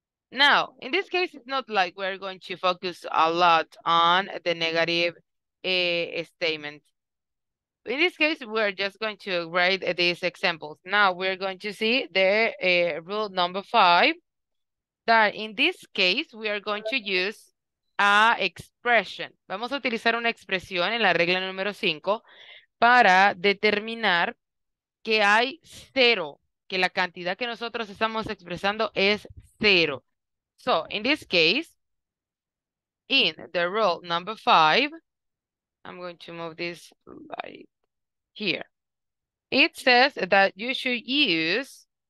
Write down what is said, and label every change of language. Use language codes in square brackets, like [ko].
[en] Now, in this case, it's not like we're going to focus a lot on the negative statement. In this case, we're just going to write these examples. Now, we're going to see the rule number five, that in this case, we are going to use a expression. [es] Vamos a utilizar una expresión en la regla número 5 para determinar que hay cero, que la cantidad que nosotros estamos expresando es cero. [en] So, in this case, in the rule number 5, I'm going to move this light here. It says that you should use